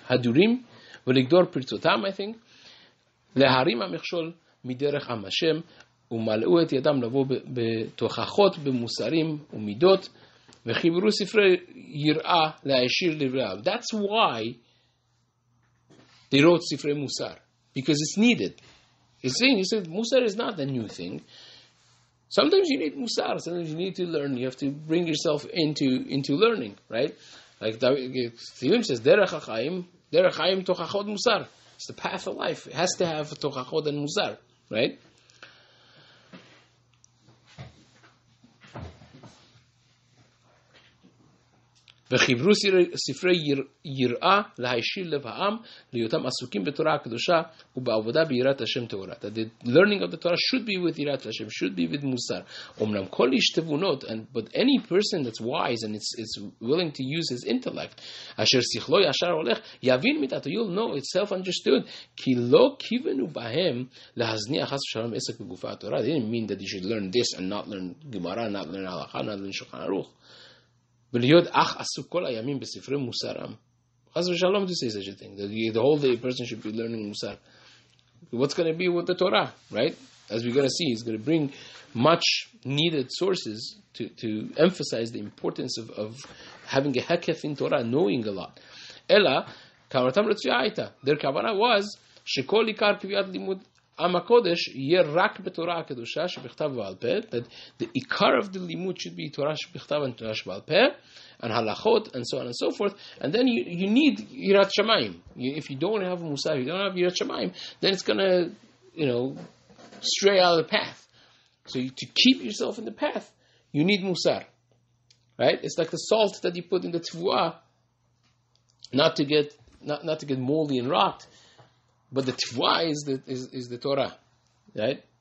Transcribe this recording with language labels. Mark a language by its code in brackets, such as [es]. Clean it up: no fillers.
[he] הדורים, ולגדור פרצותם, [en] I think, [he] להרים המכשול מדרך עם השם, ומלאו את ידם לבוא בתוכחות, במוסרים ומידות, וחיברו ספרי יראה להישיר לבריאב. [en] That's why they wrote ספרי מוסר. Because it's needed. He's saying, he said, מוסר is not a new thing. Sometimes you need מוסר, sometimes you need to learn, you have to bring yourself into learning, right? Like Tehillim says, [he] דרך החיים תוכחות מוסר. [en] It's the path of life. It has to have תוכחות and מוסר, right? [he] וחיברו ספרי יראה להישיר לב העם, להיותם עסוקים בתורה הקדושה ובעבודה ביראת השם תורה. [en] The learning of the Torah should be with יראת השם, should be with מוסר. [he] אומנם כל איש תבונות, [en] but any person that's wise and it's willing to use his intellect, [he] אשר שכלו ישר הולך, יבין מדעתו, [en] you'll know, it's self-understood, [he] כי לא כיוונו בהם להזניח חס ושלום עסק בגופה התורה. [en] They didn't mean that you should learn this and not learn גמרא, not learn הלכה, not learn שולחן ערוך. [he] ולהיות אך עסוק כל הימים בספרי מוסרם. חס ושלום, [en] to say such a thing, that the whole day a person should be learning מוסר. What's going to be with the Torah, right? As we're going to see, it's going to bring much needed sources to emphasize the importance of having a hekef in Torah, knowing a lot. [he] אלא, כוונתם רצויה הייתה. [en] Their כוונה was, [he] שכל עיקר קביעת לימוד עם הקודש יהיה רק בתורה הקדושה שבכתב ועל פה, [en] that the עיקר of the limud should be תורה שבכתב and תורה שבעל פה, and הלכות, and so on and so forth, and then you need יראת שמיים. If you don't have מוסר, you don't have יראת שמיים, then it's gonna, you know, stray out of the path. So to keep yourself in the path, you need מוסר. Right? It's like the salt that you put in the tvua, not to get moldy and rot, but the tvua is the Torah, right?